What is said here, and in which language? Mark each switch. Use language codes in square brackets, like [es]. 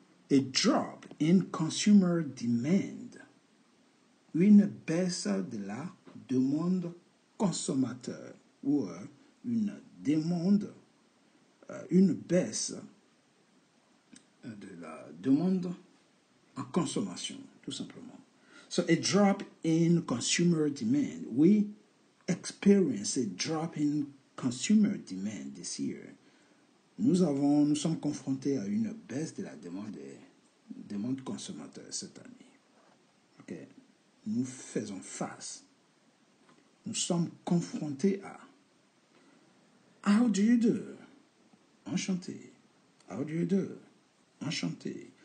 [en] A drop in consumer demand. [fr] Une baisse de la demande consommateur ou une demande, une baisse de la demande en consommation, tout simplement. [en] So, a drop in consumer demand. We experience a drop in consumer demand this year. [fr] Nous sommes confrontés à une baisse de la demande consommateur cette année. OK. Nous faisons face. Nous sommes confrontés à. [en] How do you do? [fr] Enchanté. How do you do? Enchanté.